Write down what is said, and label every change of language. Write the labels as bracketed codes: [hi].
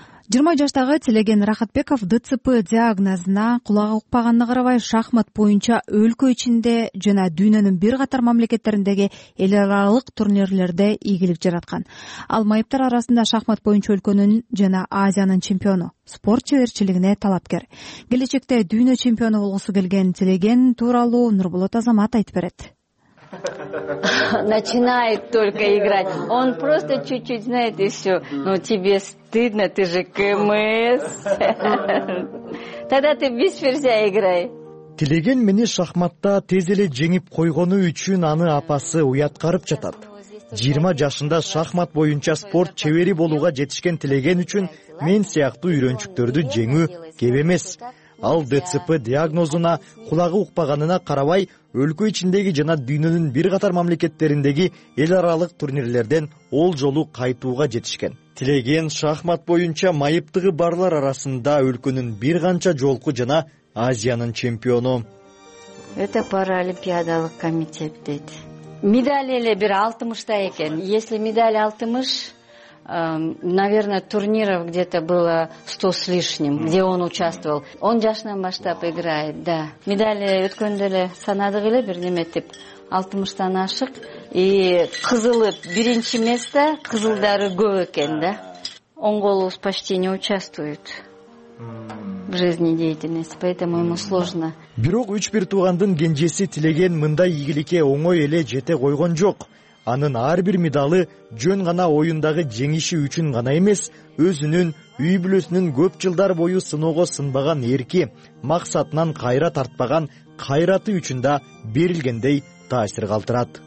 [ky] Жыйырма жаштагы Телеген Рахатбеков ДЦП диагнозуна кулагы укпаганына карабай шахмат боюнча өлкө ичинде жана дүйнөнүн бир катар мамлекеттериндеги эл аралык турнирлерде ийгилик жараткан. Ал майыптар арасында шахмат боюнча өлкөнүн жана Азиянын чемпиону, спорт чеберчилигине талапкер. Келечекте дүйнө чемпиону болгусу келген Телеген тууралуу Нурболот Азамат айтып берет. [ru] начинает только играть. Он просто чуть-чуть знает и все. Но тебе стыдно, ты же КМС. Тогда ты без ферзя играй. [ky] Тилеген мени шахматта тез эле жеңип койгону үчүн аны апасы уяткарып жатат. 20 жашында шахмат боюнча спорт чебери болууга жетишкен тилеген үчүн мен сыяктуу үйрөнчүктөрдү жеңүү кеп эмес. Ал ДЦП диагнозуна кулагы укпаганына карабай, өлкө ичиндеги жана дүйнөнүн бир катар мамлекеттериндеги эл аралык турнирлерден олжолу кайтууга жетишкен. Тилеген шахмат боюнча майыптыгы барлар арасында өлкөнүн бир канча жолку жана Азиянын чемпиону. Это паралимпиадалык комитет дейт. Медаль эле бир 60 экен. [ru] Если медаль 60, наверное, турниров где-то было 100 с лишним, где он участвовал. [ky] Он жашынан баштап играет, да. Медаль өткөндө эле санадык эле бир неметип 60-тан ашык. И кызылы биринчи место, кызылдары көп экен, да. [ru] Оң колубуз почти не участвует. В жизни деятельности, поэтому ему сложно. [ky] Бирок 3-1 туугандын кенжеси тилеген мындай ийгиликке оңой эле жете койгон жок. Анын ар бир медалы жөн гана оюндагы жеңиши үчүн гана эмес, өзүнүн үй бүлөсүнүн көп жылдар бою сыноого сынбаган эрки, максатынан кайра тартпаган кайраты үчүн да берилгендей таасир калтырат.